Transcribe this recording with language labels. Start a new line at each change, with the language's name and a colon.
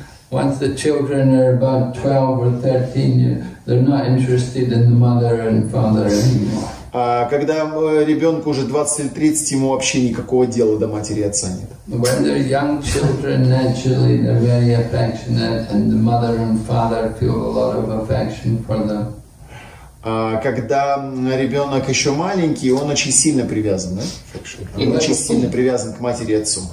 English: Once the children are about 12 or 13, they're not interested in the mother and father anymore.
Russian: Когда ребенку уже 20-30, ему вообще никакого дела до матери и отца нет.
English: When they're young children, naturally they're very affectionate, and the mother and father feel a lot of affection for them.
Russian: Когда ребенок еще маленький, он очень сильно привязан, да? Очень сильно привязан к матери и отцу.